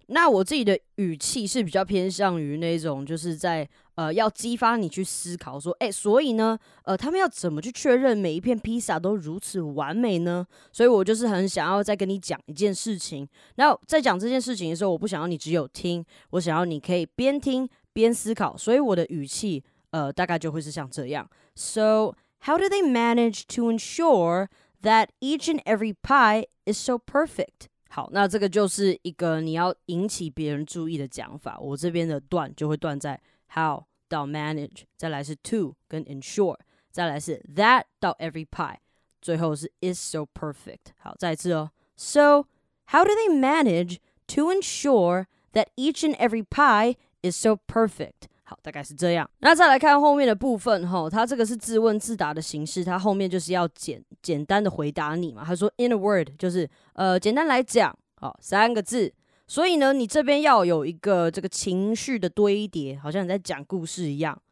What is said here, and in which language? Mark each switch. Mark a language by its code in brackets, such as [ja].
[zh] 那我自己的语气是比较偏向于那种就是在要激发你去思考说，欸，所以呢他们要怎么去确认每一片披萨都如此完美呢？所以我就是很想要再跟你讲一件事情。那在讲这件事情的时候，我不想要你只有听，我想要你可以边听边思考，所以我的语气大概就会是像这样。 [en] So how do they manage to ensure that each and every pie is so perfect？ [zh] 好，那这个就是一个你要引起别人注意的讲法。我这边的段就会断在 how 到 manage， 再来是 to 跟 ensure， 再来是 that 到 every pie， 最后是 [en] is so perfect。 [zh] 好，再一次哦。 [en] So how do they manage to ensure that each and every pie is so perfect？ [zh] 好，大概是这样。那再来看后面的部分齁，它这个是自问自答的形式，它后面就是要简单的回答你嘛。它说 [en] in a word [zh] 就是简单来讲，好，三个字。所以呢，你这边要有一个这个情绪的堆叠，好像你在讲故事一样。